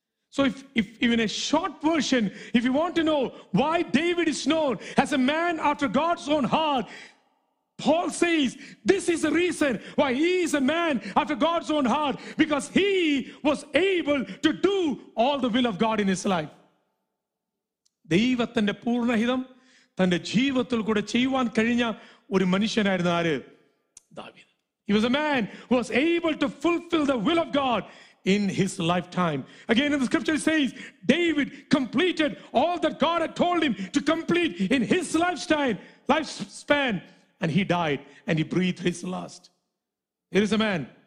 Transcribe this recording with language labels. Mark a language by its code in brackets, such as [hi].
[en] So if even a short version, if you want to know why David is known as a man after God's own heart, Paul says, this is the reason why he is a man after God's own heart, because he was able to do all the will of God in his life. [ml] ദൈവത്തിന്റെ പൂർണഹിതം തന്റെ ജീവിതത്തിൽ കൂടെ ചെയ്യുവാൻ കഴിഞ്ഞ ഒരു മനുഷ്യനായിരുന്നു ആര്? ദാവീദ്. [en] He was a man who was able to fulfill the will of God in his lifetime. Again, in the scripture it says, David completed all that God had told him to complete in his lifetime, lifespan, and he died and he breathed his last. Here is a man.